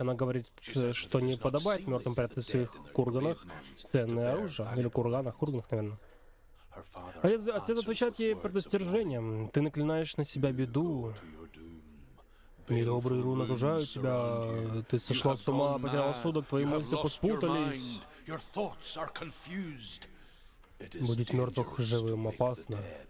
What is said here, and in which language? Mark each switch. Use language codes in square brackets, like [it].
[ru] Она говорит, что не подобает мертвым прятать в своих курганах ценное оружие. Или курганах, курганах, наверное. Отец отвечает ей предостережением. Ты наклинаешь на себя беду. Недобрые руны окружают тебя. Ты сошла с ума, потеряла судок, твои мысли поспутались. [en] Your thoughts are confused. [ru] Будить мертвых живым опасно.